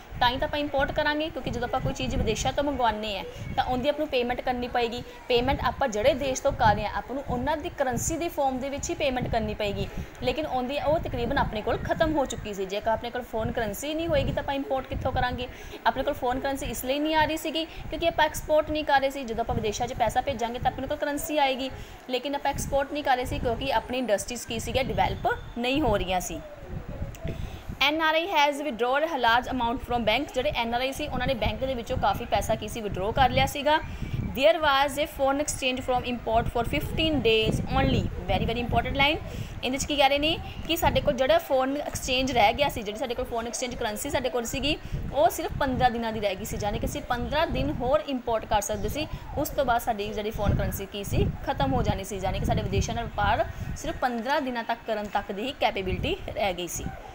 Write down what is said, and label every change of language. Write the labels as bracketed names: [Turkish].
[Punjabi] ਤਾਂ ਹੀ ਤਾਂ ਆਪਾਂ ਇੰਪੋਰਟ ਕਰਾਂਗੇ ਕਿਉਂਕਿ ਜਦੋਂ ਆਪਾਂ ਕੋਈ ਚੀਜ਼ ਵਿਦੇਸ਼ਾਂ ਤੋਂ ਮੰਗਵਾਉਂਦੇ ਹਾਂ ਤਾਂ ਉਹਦੀ ਆਪਾਂ ਨੂੰ ਪੇਮੈਂਟ ਕਰਨੀ ਪਏਗੀ ਪੇਮੈਂਟ ਆਪਾਂ ਜਿਹੜੇ ਦੇਸ਼ ਤੋਂ ਕਰ ਰਹੇ ਹਾਂ ਆਪਾਂ ਨੂੰ ਉਹਨਾਂ ਦੀ ਕਰੰਸੀ ਦੇ ਫੋਰਮ ਦੇ ਵਿੱਚ ਹੀ ਪੇਮੈਂਟ ਕਰਨੀ ਪਏਗੀ ਲੇਕਿਨ ਉਹਦੀ ਉਹ ਤਕਰੀਬਨ ਆਪਣੇ ਕੋਲ ਖਤਮ ਹੋ ਚੁੱਕੀ ਸੀ ਜੇਕਰ ਆਪਣੇ ਕੋਲ ਫੋਰਨ ਕਰੰਸੀ ਨਹੀਂ ਹੋਏਗੀ ਤਾਂ ਆਪਾਂ ਇੰਪੋਰਟ ਕਿੱਥੋਂ ਕਰਾਂਗੇ ਆਪਣੇ ਕੋਲ ਫੋਰਨ ਕਰੰਸੀ ਇਸ ਲਈ ਨਹੀਂ ਆ ਰਹੀ ਸੀਗੀ ਕਿਉਂਕਿ ਆਪਾਂ ਐਕਸਪੋਰਟ ਨਹੀਂ ਕਰ ਰਹੇ ਸੀ ਜਦੋਂ ਆਪਾਂ ਵਿਦੇਸ਼ਾਂ 'ਚ ਪੈਸਾ ਭੇਜਾਂਗੇ ਤਾਂ ਆਪਣੇ ਕੋਲ ਕਰੰਸੀ ਆਏਗੀ ਲੇਕਿਨ ਆਪਾਂ ਐਕਸਪੋਰਟ ਨਹੀਂ ਕਰ ਰਹੇ ਸੀ ਕਿਉਂਕਿ ਆਪਣੀ ਇੰਡਸਟਰੀਜ਼ ਕੀ ਸੀਗੀਆਂ ਡਿਵੈਲਪ ਨਹੀਂ ਹੋ ਰਹੀਆਂ ਸੀ [English] NRI has withdrawal a large amount from bank [Punjabi] ਜਿਹੜੇ NRI ਸੀ ਉਹਨਾਂ ਨੇ ਬੈਂਕ ਦੇ ਵਿੱਚੋਂ ਕਾਫੀ ਪੈਸਾ ਕੀ ਸੀ ਵਿਦਡਰੋਅ ਕਰ ਲਿਆ ਸੀਗਾ [English] there was a foreign exchange from import for 15 days only. Very very important line. [Punjabi] ਇਹਦੇ 'ਚ ਕੀ ਕਹਿ ਰਹੇ ਨੇ ਕਿ ਸਾਡੇ ਕੋਲ ਜਿਹੜਾ ਫੋਰਨ ਐਕਸਚੇਂਜ ਰਹਿ ਗਿਆ ਸੀ, ਜਿਹੜੀ ਸਾਡੇ ਕੋਲ ਫੋਰਨ ਐਕਸਚੇਂਜ ਕਰੰਸੀ ਸਾਡੇ ਕੋਲ ਸੀਗੀ, ਉਹ ਸਿਰਫ 15 ਦਿਨਾਂ ਦੀ ਰਹਿ ਗਈ ਸੀ, ਯਾਨੀ ਕਿ ਅਸੀਂ 15 ਦਿਨ ਹੋਰ ਇੰਪੋਰਟ ਕਰ ਸਕਦੇ ਸੀ. ਉਸ ਤੋਂ ਬਾਅਦ ਸਾਡੀ ਜਿਹੜੀ ਫੋਰਨ ਕਰੰਸੀ ਕੀ ਸੀ, ਖਤਮ ਹੋ ਜਾਣੀ ਸੀ, ਯਾਨੀ ਕਿ ਸਾਡੇ ਵਿਦੇਸ਼ਾਂ ਨਾਲ ਵਪਾਰ ਸਿਰਫ 15 ਦਿਨਾਂ ਤੱਕ ਕਰਨ ਤੱਕ ਦੀ ਹੀ ਕੈਪੇਬਿਲਿਟੀ ਰਹਿ ਗਈ ਸੀ.